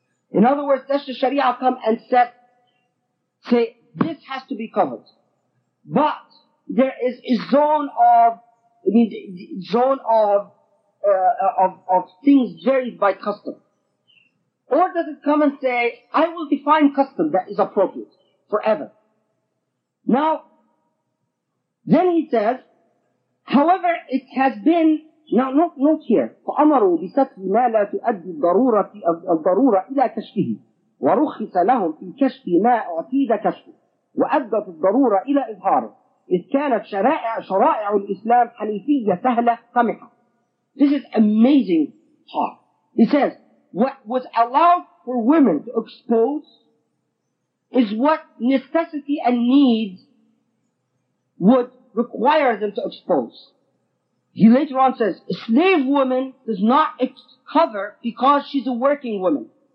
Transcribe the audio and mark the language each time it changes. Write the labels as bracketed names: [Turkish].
[English] In other words, does the Sharia come and say, this has to be covered. But there is a zone of things varied by custom. Or does it come and say, I will define custom that is appropriate forever. Now, then he says, however it has been, now note here, [Arabic] فَأَمَرُوا بِسَتْرِ مَا لَا تُؤَدِّ الضَّرُورَ إِلَى كَشْفِهِ وَرُخِّسَ لَهُمْ فِي كَشْفِ مَا أُعْتِيدَ كَشْفِهِ وَأَدَّتُ الضَّرُورَ إِلَى إِظْهَارِهِ إِذْ كَانَتْ شَرَائِعُ الْإِسْلَامِ حَنِيفِيَّ سَهْلَةً قَمِحَةً. [English] This is amazing talk. He says, what was allowed for women to expose is what necessity and need would require them to expose. He later on says, a slave woman does not cover because she's a working woman.